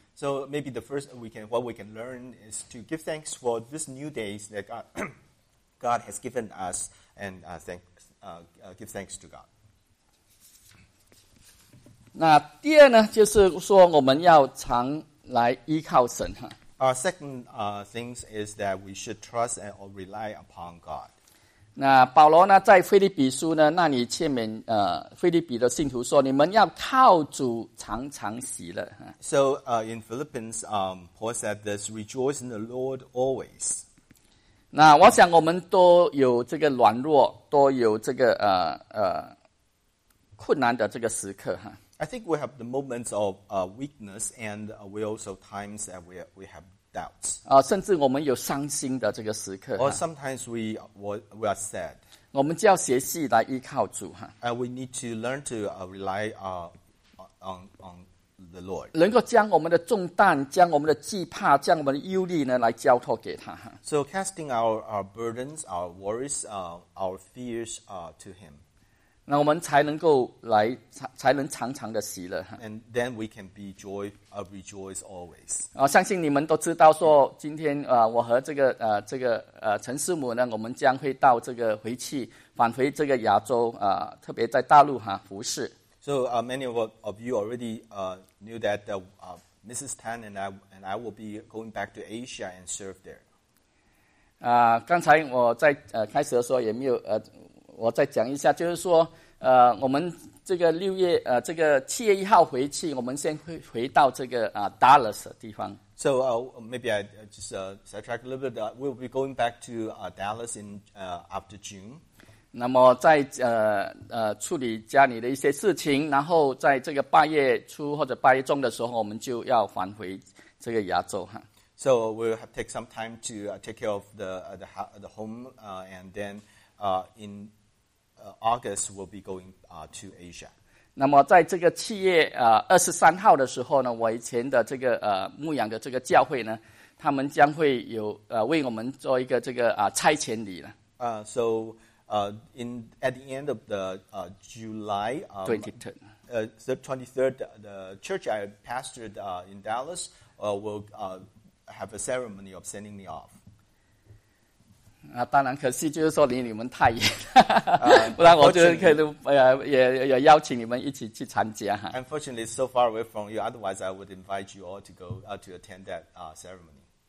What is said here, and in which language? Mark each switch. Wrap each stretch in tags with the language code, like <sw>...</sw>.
<en>So maybe the first we can learn is to give thanks for this new days that God has given us and give thanks to God.</en> <zh>那第二呢，就是说我们要常来依靠神哈。</zh> <en>Our second things is that we should trust and or rely upon God.</en> <zh>那保罗呢，在腓立比书呢，那里劝勉腓立比的信徒说，你们要靠主常常喜乐。</zh> <en>So in Philippians, Paul said this: Rejoice in the Lord always.</en> <zh>那我想我们都有这个软弱，都有这个困难的这个时刻哈。</zh> <en>I think we have the moments of weakness, and we also times that we have doubts.</en> <zh>甚至我们有伤心的这个时刻。</zh> <en>Or sometimes we are sad.</en> <zh>我们就要学习来依靠主哈。</zh> <en>We need to learn to rely on the Lord.</en> <zh>能够将我们的重担、将我们的惧怕、将我们的忧虑呢，来交托给他哈。</zh> <en>So casting our burdens, our worries, our fears, to Him.</en> <zh>那我们才能够来，才能常常的喜乐。</zh> <en>And then we can be joy, rejoice always.</en> <zh>相信你们都知道，说今天我和这个陈师母呢，我们将会到这个回去，返回这个亚洲特别在大陆哈服事。</zh> <en>So many of you already knew that Mrs. Tan and I will be going back to Asia and serve there.</en> <zh>刚才我在开始的时候也没有我再讲一下，就是说，我们这个六月，这个七月一号回去，我们先回到这个Dallas 的地方。</zh> <en>So maybe I just sidetrack a little bit. We'll be going back to Dallas in after June.</en> <zh>那么在处理家里的一些事情，然后在这个八月初或者八月中的时候，我们就要返回这个亚洲哈。</zh> <en>So we'll have take some time to take care of the home and then. In August, we'll be going to Asia.</en> <zh>那么在这个七月23号的时候呢，我以前的这个牧养的这个教会呢，他们将会有为我们做一个这个差遣礼了。</zh> <en>So in at the end of the July 23rd, the 23rd, the church I pastored in Dallas will have a ceremony of sending me off.</en> <zh>当然，可惜就是说离你们太远，不然我就可以也邀请你们一起去参加哈。</zh> <en>Unfortunately, so far away from you, otherwise I would invite you all to go to attend that ceremony.</en>